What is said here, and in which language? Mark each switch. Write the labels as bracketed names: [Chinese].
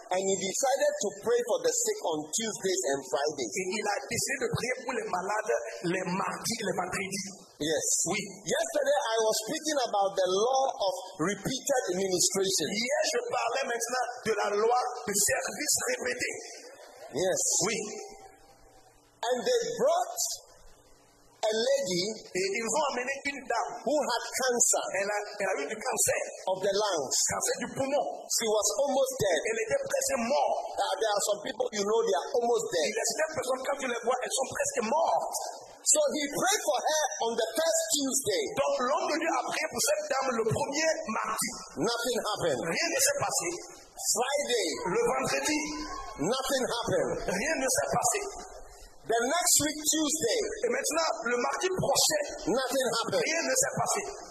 [English] And he decided to pray for the sick on Tuesdays and Fridays. [French] Et il a décidé de prier pour les malades les mardis et les vendredis. [English] Yes. [French] Oui. [English] Yesterday I was speaking about the law of repeated ministration. [French] Hier je parlais maintenant de la loi du service répété. [English] Yes. [French] Oui. [English] And they brought a lady, [French] et ils ont amené une dame [English] who had cancer. [French] Elle a eu du cancer [English] of the lungs. [French] Cancer du poumon. [English] She was almost dead. [French] Elle était presque morte. [English] There are some people you know, they are almost dead. [French] Il y a certaines personnes quand tu les vois, elles sont presque mortes. [English] So he prayed for her on the first Tuesday. [French] Donc l'homme de Dieu a prié pour cette dame le premier mardi. [English] Nothing happened. [French] Rien ne s'est passé. [English] Friday. [French] Le vendredi. [English] Nothing happened. [French] Rien ne s'est passé. [English] The next week, Tuesday. [French] Et maintenant, le mardi prochain. [English] Nothing happened. [French] Rien ne s'est passé.